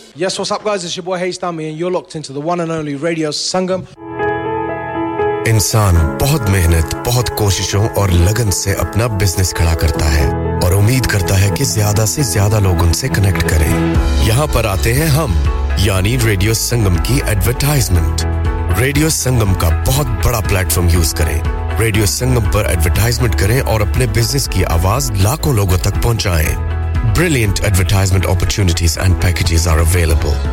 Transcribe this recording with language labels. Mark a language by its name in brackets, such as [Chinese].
[English] What's up, guys? It's your boy Hey Stammy, and you're locked into the one and only Radio Sangam. [Hindi] इंसान बहुत मेहनत, बहुत कोशिशों और लगन से अपना बिजनेस खड़ा करता है और उम्मीद करता है कि ज़्यादा से ज़्यादा लोग उनसे कनेक्ट करें। यहाँ पर आते हैं हम, यानी Radio Sangam की एडवरटाइजमेंट। Radio Sangam का बहुत बड़ा प्लेटफॉर्म यूज़ करें। रेडियो संगम पर एडवर्टाइजमेंट करें और अपने बिजनेस की आवाज लाखों लोगों तक पहुंचाएं. [English] Brilliant advertisement opportunities and packages are available.